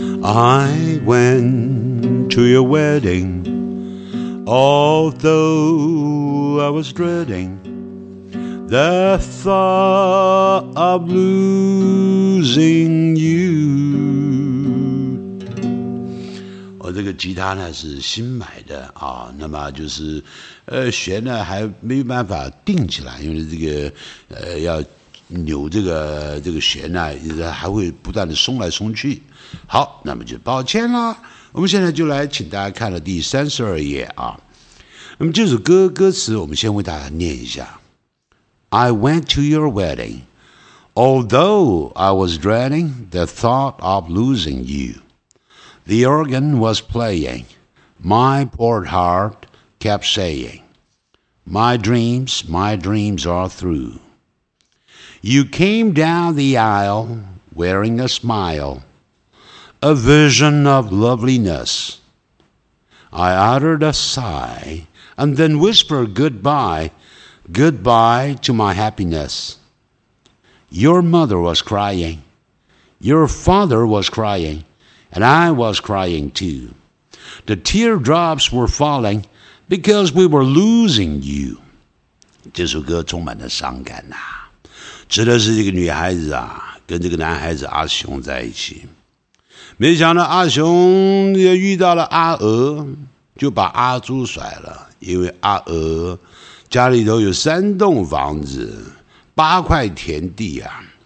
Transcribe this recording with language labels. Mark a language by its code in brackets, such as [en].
[en] I went to your wedding, although I was dreading the thought of losing you. [zh] 我这个吉他呢是新买的啊，那么就是弦呢还没有办法定起来，因为这个要扭这个弦呢，还会不断的松来松去。好，那么就抱歉啦，我们现在就来请大家看了第32页啊。那么这首歌歌词我们先为大家念一下。 [en] I went to your wedding, although I was dreading the thought of losing you. The organ was playing, my poor heart kept saying, my dreams are through. You came down the aisle wearing a smileA vision of loveliness. I uttered a sigh and then whispered goodbye, goodbye to my happiness. Your mother was crying, your father was crying, and I was crying too. The teardrops were falling because we were losing you. [zh] 这首歌充满了伤感啊，指的是这个女孩子啊，跟这个男孩子阿雄在一起。没想到阿雄也遇到了阿娥，就把阿朱甩了，因为阿娥家里头有3栋房子8块田地啊。